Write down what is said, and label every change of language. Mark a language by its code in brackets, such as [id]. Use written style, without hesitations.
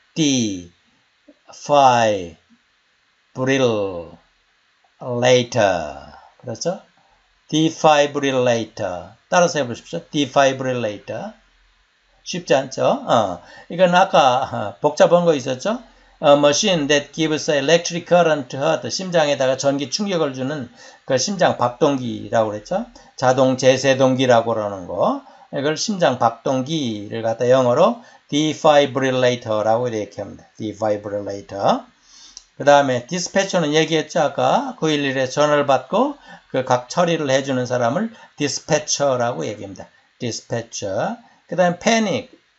[en] defibrillator. Brill later. [ko] 그렇죠? Defibrillator. 따라서 해보십시오. Defibrillator. 쉽지 않죠? 이건 아까 복잡한 거 있었죠? [en] A machine that gives electric current to heart. [ko] 심장에다가 전기 충격을 주는 그 심장 박동기라고 그랬죠? 자동 재세동기라고 그러는 거. 이걸 심장 박동기를 갖다 영어로 Defibrillator라고 이렇게 합니다. [en] Defibrillator. [ko] 그 다음에 디스패처는 얘기했죠 아까 911에 전화를 받고 그각 처리를 해주는 사람을 디스패처라고 얘기합니다. 디스패처. 그 다음에 패닉.